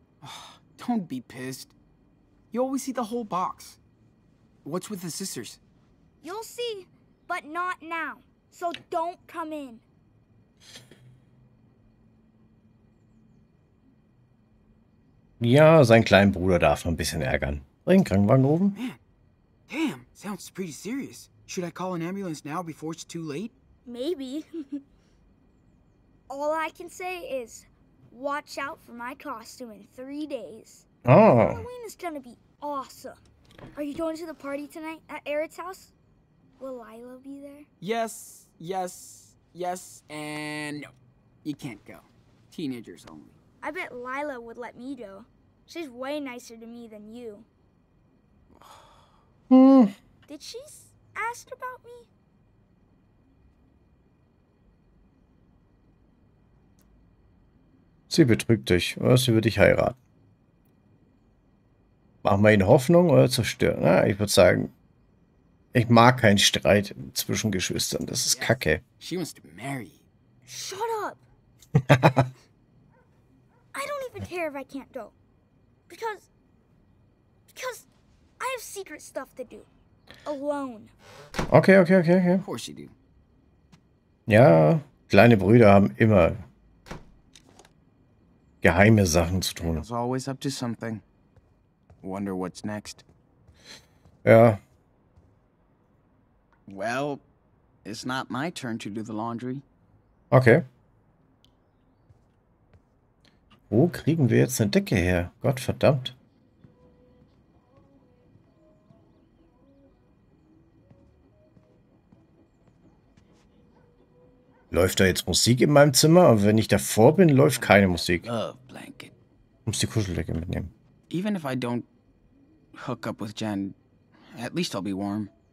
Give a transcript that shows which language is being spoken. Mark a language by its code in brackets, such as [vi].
[en] Oh, don't be pissed. You always see the whole box. What's with the sisters? You'll see, but not now. So don't come in. [de] Ja, sein kleiner Bruder darf noch ein bisschen ärgern. Bring den Krankenwagen oben. [en] Man, damn, sounds pretty serious. Should I call an ambulance now before it's too late? Maybe. All I can say is, watch out for my costume in 3 days. Oh. Halloween is gonna be awesome. Are you going to the party tonight at Eric's house? Will Lila be there? Yes, yes, yes, and no. You can't go. Teenagers only. I bet Lila would let me go. She's way nicer to me than you. Did she ask about me? [de] Sie betrügt dich oder sie wird dich heiraten. Machen wir ihnen Hoffnung oder zerstören? Ja, ich würde sagen, ich mag keinen Streit zwischen Geschwistern. Das ist kacke. [en] She wants to marry. Shut up! I don't even care if I can't go. Because I have secret stuff to do. Alone. Okay. Of course you do. [de] Ja, kleine Brüder haben immer geheime Sachen zu tun. [en] It's always up to something. Wonder what's next. [de] Ja. [en] Well, it's not my turn to do the laundry. Okay. [de] Wo kriegen wir jetzt eine Decke her? Gott verdammt. Läuft da jetzt Musik in meinem Zimmer? Und wenn ich davor bin, läuft keine Musik. Muss die Kuscheldecke mitnehmen. [en] Even if I don't hook up with Jen, at least I'll be warm.